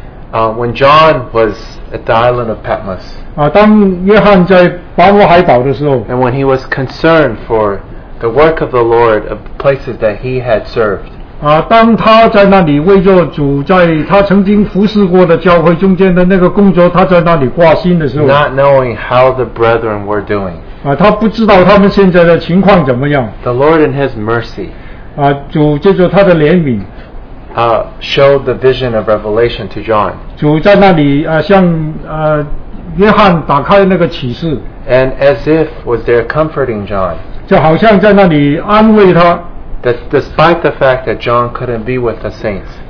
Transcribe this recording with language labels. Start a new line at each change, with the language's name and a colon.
English: When John was at the island of Patmos.
Chinese: 当约翰在
English: And when he was concerned for the work of the Lord of the places that he had served,
Chinese: 啊, 当他在那里为着主在他曾经服侍过的教会中间的那个工作，他在那里挂心的时候，
English: not knowing how the brethren were doing,
Chinese: 啊, 他不知道他们现在的情况怎么样，
English: the Lord in his mercy,
Chinese: 啊, 主借着他的怜悯，
English: showed the vision of revelation to John.
Chinese: 主在那里, 啊, 向, 啊, 约翰打开那个启示，
English: and as if was there comforting John,
Chinese: 就好像在那里安慰他，
English: that despite the fact that John couldn't be with the saints,